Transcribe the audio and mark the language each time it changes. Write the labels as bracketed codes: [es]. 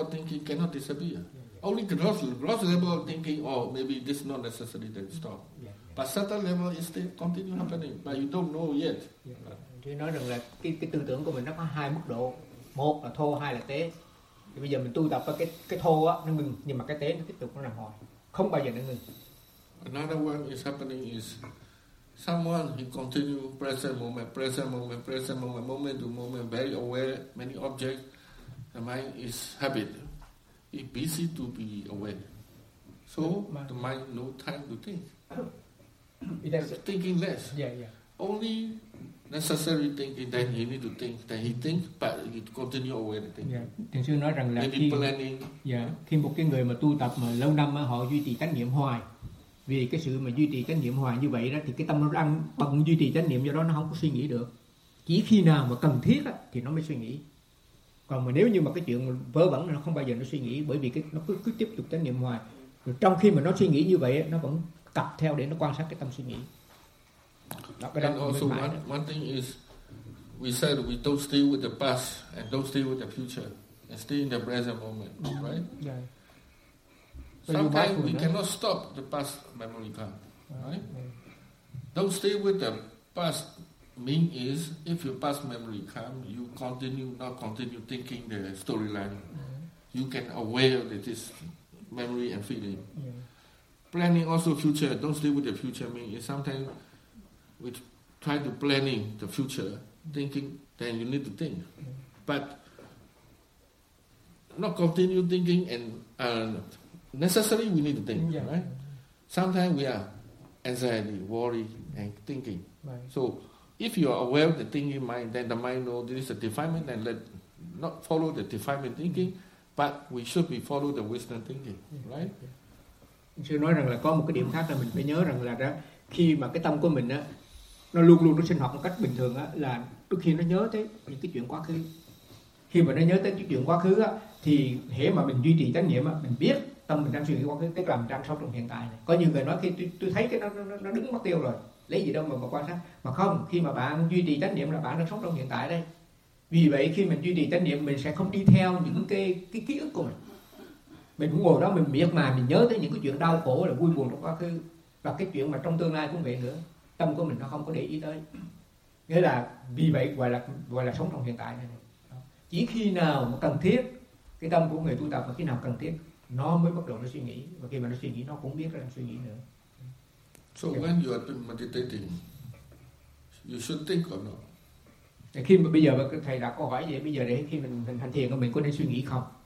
[en] of thinking cannot disappear. Only gross level of thinking, or maybe this is not necessary, then stop. But subtle level is still continue happening, but you don't know yet. [vi] Chứ nói rằng là cái tư tưởng của mình nó có hai mức độ, một là thô, hai là tế. Thì bây giờ mình tu tập cái thô á nó ngừng, nhưng mà cái tế nó tiếp tục nó nằm hồi, không bao giờ nó ngừng. [en] Another one is happening is someone he continue present moment, moment to moment, very aware many objects, the mind is habit, it busy to be aware, so the mind no time to think, it's thinking less. Yeah. Only necessary thinking, then he need to think, then he think, but he continue aware the thing. [vi] Yeah. Thì sư nói rằng là [en] maybe [vi] khi [en] planning. Yeah. [vi] Khi một cái người mà tu tập mà lâu năm mà họ duy trì chánh niệm hoài, vì cái sự mà duy trì chánh niệm hoài như vậy đó thì cái tâm nó đang bận duy trì chánh niệm, do đó nó không có suy nghĩ được. Chỉ khi nào mà cần thiết á thì nó mới suy nghĩ. Còn mà nếu như mà cái chuyện vớ vẩn nó không bao giờ nó suy nghĩ, bởi vì cái nó cứ tiếp tục chánh niệm hoài. Rồi trong khi mà nó suy nghĩ như vậy nó vẫn cặp theo để nó quan sát cái tâm suy nghĩ. [en] And also one thing is, we said we don't stay with the past and don't stay with the future, and stay in the present moment, right? Yeah. So sometimes we cannot stop the past memory come, right? Don't stay with the past mean is if your past memory come, you continue thinking the storyline. Yeah. You can aware that this memory and feeling. Yeah. Planning also future. Don't stay with the future mean is sometimes we try to planning the future, thinking, then you need to think. Yeah. But not continue thinking and necessarily we need to think, yeah, right? Sometimes we are anxiety, worry, and thinking. Right. So if you are aware of the thinking mind, then the mind knows there is a defilement, and let not follow the defilement thinking, but we should be follow the wisdom thinking, yeah, right? [vi] Chứ nói rằng là có một cái điểm khác là mình phải nhớ rằng là khi mà cái tâm của mình á, nó luôn luôn nó sinh hoạt một cách bình thường á, là đôi khi nó nhớ tới những cái chuyện quá khứ. Khi mà nó nhớ tới những chuyện quá khứ á, thì hễ mà mình duy trì chánh niệm á, mình biết tâm mình đang suy nghĩ quá khứ, tức là mình đang sống trong hiện tại này. Có nhiều người nói khi tôi thấy cái nó đứng mất tiêu rồi, lấy gì đâu mà quan sát. Mà không, khi mà bạn duy trì chánh niệm là bạn đang sống trong hiện tại đây. Vì vậy khi mình duy trì chánh niệm, mình sẽ không đi theo những cái ký ức của mình. Mình cũng ngồi đó mình miệt mài, mình nhớ tới những cái chuyện đau khổ là vui buồn trong quá khứ, và cái chuyện mà trong tương lai cũng vậy nữa, tâm của mình nó không có để ý tới. Nghĩa là vì vậy gọi là sống trong hiện tại này. Chỉ khi nào mà cần thiết, cái tâm của người tu tập mà khi nào cần thiết nó mới bắt đầu nó suy nghĩ, và khi mà nó suy nghĩ nó cũng biết đang suy nghĩ nữa. [en] So when you are meditating, you should think or not? [vi] Khi mà bây giờ thầy đặt câu hỏi vậy, bây giờ để khi mình hành thiền của mình có nên suy nghĩ không?